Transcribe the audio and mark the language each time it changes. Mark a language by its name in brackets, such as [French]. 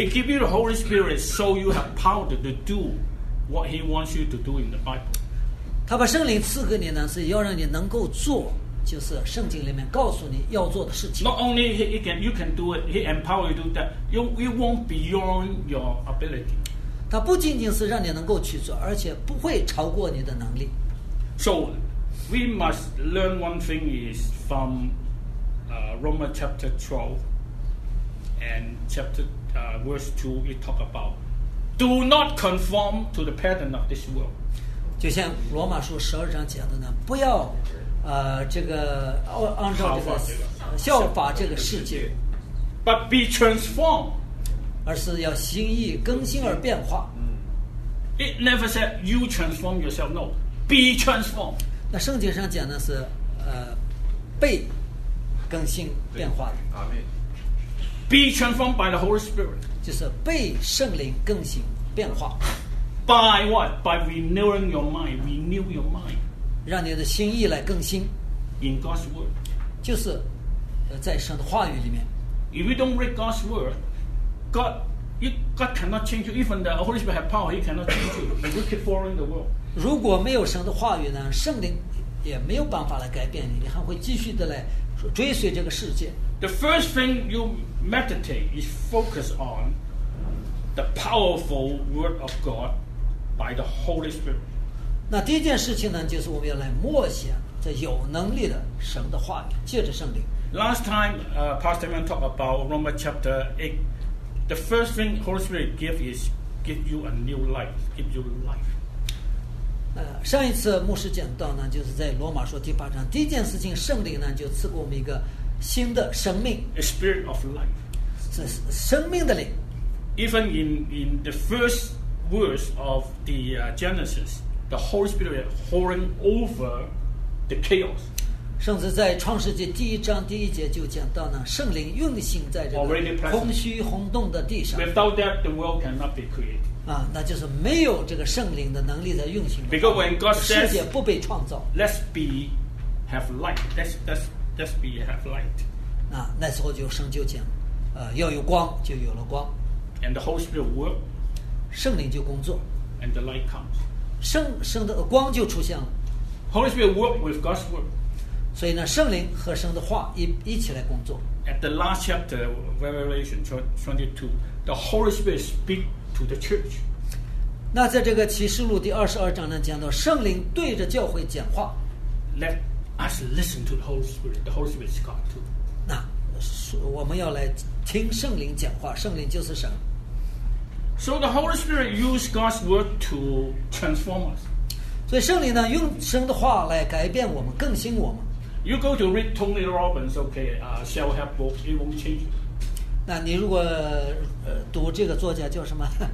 [English] He give you the Holy Spirit so you have power to do what he wants you to do in the Bible. [Chinese] 他把圣灵赐给你呢，是要让你能够做，就是圣经里面告诉你要做的事情。 [English] Not only he can, you can do it. He empower you to do that. You won't beyond your ability. [Chinese] 他不仅仅是让你能够去做，而且不会超过你的能力。 [English] So we must learn one thing is from Romans chapter 12. And chapter verse 2, it talk about do not conform to the pattern of this world. [Chinese] 就像罗马书十二章讲的呢，不要这个按照这个效法这个世界。 [English] But be transformed. [Chinese] 而是要心意更新而变化。 [English] It never said you transform yourself. No, be transformed. [Chinese] 那圣经上讲的是被更新变化的。 [English] Be transformed by the Holy Spirit. [Chinese] 就是被圣灵更新变化。 [English] By what? By renewing your mind. Renew your mind. [Chinese] 让你的心意来更新。 [English] In God's word. [Chinese] 就是在神的话语里面。 [English] If you don't read God's word, God cannot change you. Even the Holy Spirit has power, He cannot change you. And we keep following the world. [Chinese] 如果没有神的话语呢，圣灵也没有办法来改变你，你还会继续的来追随这个世界。 [English] The first thing you meditate is focus on the powerful word of God by the Holy Spirit. [Chinese] 那第一件事情呢，就是我们要来默想这有能力的神的话语，借着圣灵。 [English] Last time, Pastor Man talked about Romans chapter 8. The first thing Holy Spirit give is give you a new life, give you life. [Chinese] 上一次牧师讲到呢，就是在罗马书第八章，第一件事情圣灵呢就赐给我们一个新的生命。 [English] A spirit of life. [Chinese] 是生命的灵。 [English] Even in the first verse of the Genesis, the Holy Spirit is pouring over the chaos. [Chinese] 甚至在创世纪第一章第一节就讲到呢，圣灵运行在这个空虚空洞的地上。 [English] Without that, the world cannot be created. [Chinese] 啊，那就是没有这个圣灵的能力在运行。 [English] Because when God says, [Chinese] 世界不被创造。 [English] Let's be have light. Let's be have light. [Chinese] 啊，那时候就神就讲，要有光，就有了光。 [English] And the Holy Spirit works. [Chinese] 圣灵就工作。 [English] And the light comes. [Chinese] 圣的光就出现了。 [English] Holy Spirit works with God's word. [Chinese] 所以呢，圣灵和神的话 一起来工作。 [English] At the last chapter, Revelation 22, the Holy Spirit speaks to the church. [Chinese] 那在这个启示录第二十二章呢，讲到圣灵对着教会讲话。 [English] Let us listen to the Holy Spirit. The Holy Spirit is God too. [Chinese] 那我们要来听圣灵讲话，圣灵就是神。 [English] So the Holy Spirit used God's word to transform us. [Chinese] 所以圣灵呢，用神的话来改变我们，更新我们。 [English] You go to read Tony Robbins, okay? Self-help book, it won't change. [Chinese] 那你如果读这个作家叫什么